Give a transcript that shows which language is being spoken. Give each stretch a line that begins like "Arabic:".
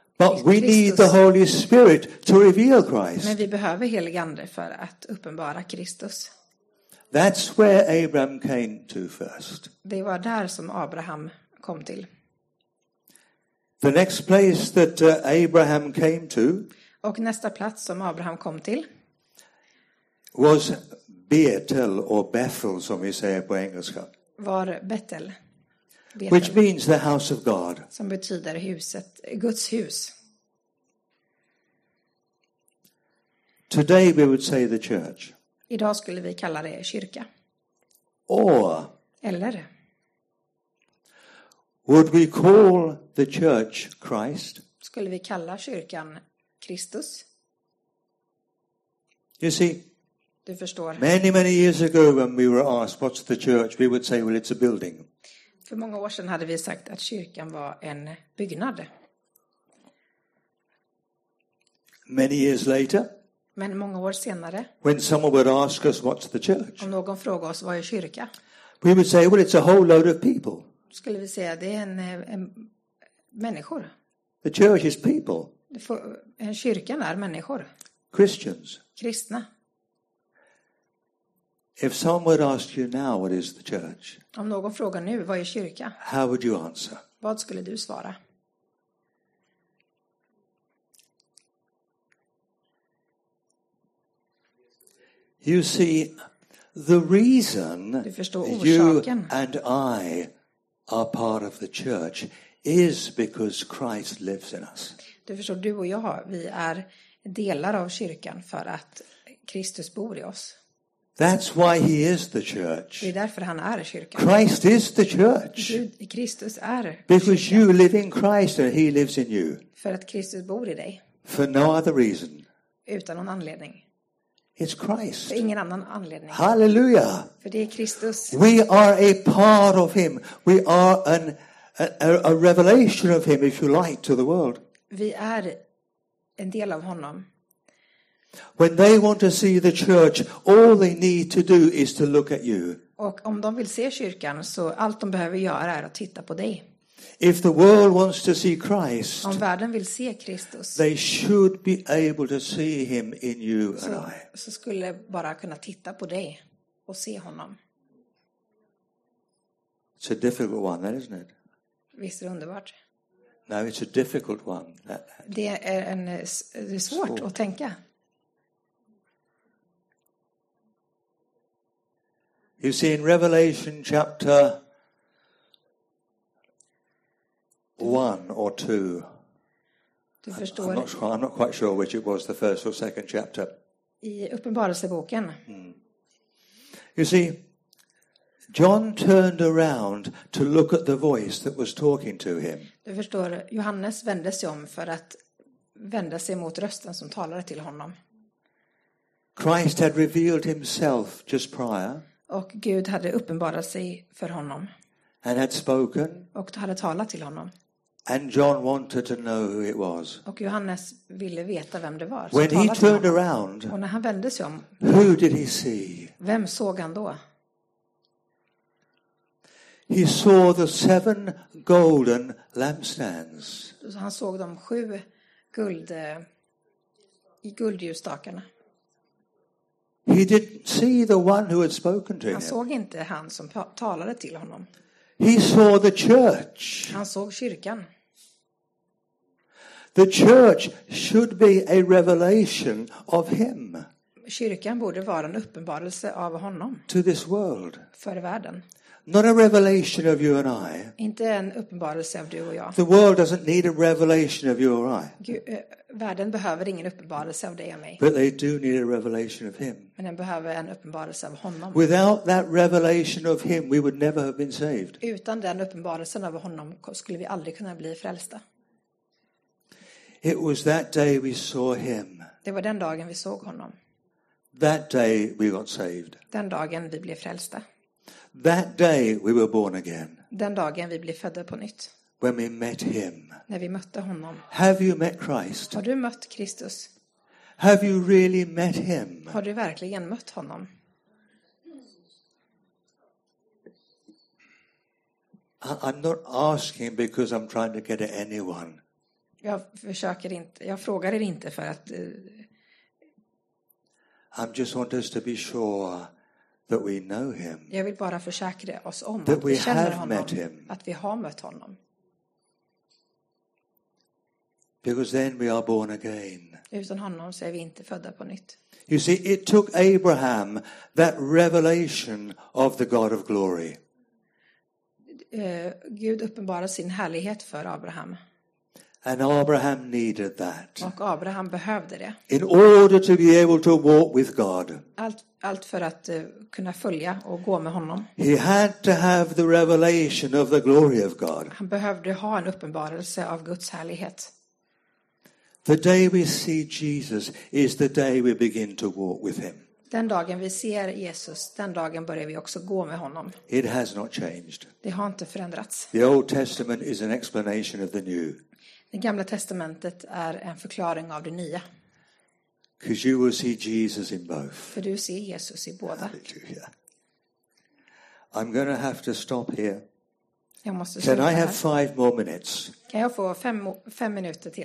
English: But we need the Holy Spirit to reveal Christ.
Swedish: Men vi behöver helige ande för att uppenbara Kristus.
English: That's where Abraham came to first.
Swedish: Det var där som Abraham kom till.
English: The next place that Abraham came to.
Swedish: Och nästa plats som Abraham kom till.
English: Was Bethel or Bethel
Swedish: som vi säger på engelska. Var Bethel.
English: Which means the house of God.
Swedish: Som betyder huset, Guds hus.
English: Today we would say the church.
Swedish: Idag skulle vi kalla det kyrka.
English: Or,
Swedish: eller
English: would we call the church Christ?
Swedish: Skulle vi kalla kyrkan Kristus?
English: You see,
Swedish: du förstår.
English: Many years ago when we were asked what's the church, we would say well it's a building.
Swedish: För många år sedan hade vi sagt att kyrkan var en byggnad.
English: Many years later.
Swedish: Men många år senare.
English: When someone would ask us what's the church.
Swedish: Om någon frågar oss vad är kyrka.
English: We would say well it's a whole load of people.
Swedish: Skulle vi säga det är en människor.
English: The church is people.
Swedish: En kyrka är människor.
English: Christians.
Swedish: Kristna.
English: If someone would ask you now what is the church?
Swedish: Om någon frågar nu vad är kyrka?
English: How would you answer?
Swedish: Vad skulle du svara?
English: You see the reason
Swedish: du förstår orsaken.
English: You and I are part of the church is because Christ lives in us.
Swedish: Du förstår du och jag vi är delar av kyrkan för att Kristus bor i oss.
English: That's why he is the church.
Swedish: Det är därför han är kyrkan.
English: Christ is the church.
Swedish: Kristus är.
English: Because
Swedish: kyrkan.
English: You live in Christ and he lives in you.
Swedish: För att Kristus bor i dig.
English: For no other reason.
Swedish: Utan någon anledning.
English: It's Christ.
Swedish: För ingen annan anledning.
English: Halleluja.
Swedish: För det är Kristus.
English: We are a part of him. We are a revelation of him if you like to the world.
Swedish: Vi är en del av honom.
English: When they want to see the church, all they need to do is to look at you.
Swedish: Och om de vill se kyrkan så allt de behöver göra är att titta på dig.
English: If the world wants to see Christ,
Swedish: om världen vill se Kristus,
English: they should be able to see him in you and I.
Swedish: Så skulle bara kunna titta på dig och se honom.
English: It's a difficult one, isn't it?
Swedish: Visst är det underbart.
English: No, it's a difficult one.
Swedish: Det är en det är svårt att tänka.
English: You see in Revelation chapter 1 or 2.
Swedish: Du förstår.
English: I'm not quite sure which it was, the first or second chapter.
Swedish: I Uppenbarelseboken.
English: You see, John turned around to look at the voice that was talking to him.
Swedish: Du förstår, Johannes vände sig om för att vända sig mot rösten som talade till honom.
English: Christ had revealed himself just prior.
Swedish: Och Gud hade uppenbarat sig för honom.
English: And had spoken.
Swedish: Och hade talat till honom.
English: And John wanted to know who it was.
Swedish: Och Johannes ville veta vem det var.
English: When he turned around.
Swedish: Och när han vände sig om.
English: Who did he see?
Swedish: Vem såg han då?
English: He saw the seven golden lampstands.
Swedish: Han såg de sju guld i guldljusstakarna.
English: He didn't see the one who had spoken to him.
Swedish: Han såg inte han som talade till honom.
English: He saw the church.
Swedish: Han såg kyrkan.
English: The church should be a revelation of him.
Swedish: Kyrkan borde vara en uppenbarelse av honom.
English: To this world.
Swedish: För världen.
English: Not a revelation of you and I.
Swedish: Inte en uppenbarelse av du och jag.
English: The world doesn't need a revelation of you or I.
Swedish: Världen behöver ingen uppenbarelse av dig och mig.
English: But they do need a revelation of him.
Swedish: Men den behöver en uppenbarelse av honom.
English: Without that revelation of him, we would never have been saved.
Swedish: Utan den uppenbarelsen av honom skulle vi aldrig kunna bli frälsta.
English: It was that day we saw him.
Swedish: Det var den dagen vi såg honom.
English: That day we got saved.
Swedish: Den dagen vi blev frälsta.
English: That day we were born again.
Swedish: Den dagen vi blev födda på nytt.
English: When we met him.
Swedish: När vi mötte honom.
English: Have you met Christ?
Swedish: Har du mött Kristus?
English: Have you really met him?
Swedish: Har du verkligen mött honom?
English: I'm not asking because I'm trying to get at anyone.
Swedish: Jag försöker inte. Jag frågar er inte för att.
English: I just want us to be sure that we know him.
Swedish: Jag vill bara försäkra oss om att vi känner honom,
English: met him.
Swedish: Att vi har mött honom.
English: Because then we are born again.
Swedish: Utan honom så är vi inte födda på nytt.
English: You see, it took Abraham that revelation of the God of glory.
Swedish: Gud uppenbarade sin härlighet för Abraham.
English: And Abraham needed that.
Swedish: Och Abraham behövde det.
English: In order to be able to walk with God.
Swedish: Allt för att kunna följa och gå med honom.
English: He had to have the revelation of the glory of God.
Swedish: Han behövde ha en uppenbarelse av Guds härlighet.
English: The day we see Jesus is the day we begin to walk with him.
Swedish: Den dagen vi ser Jesus, den dagen börjar vi också gå med honom.
English: It has not changed.
Swedish: Det har inte förändrats.
English: The Old Testament is an explanation of the new.
Swedish: Det gamla testamentet är en förklaring av det nya.
English: Because you will see Jesus in both.
Swedish: För du ser Jesus i båda.
English: Halleluja. I'm going to have to stop here.
Swedish: Jag måste sluta.
English: Can I have five more minutes?
Swedish: Kan jag få fem minuter till?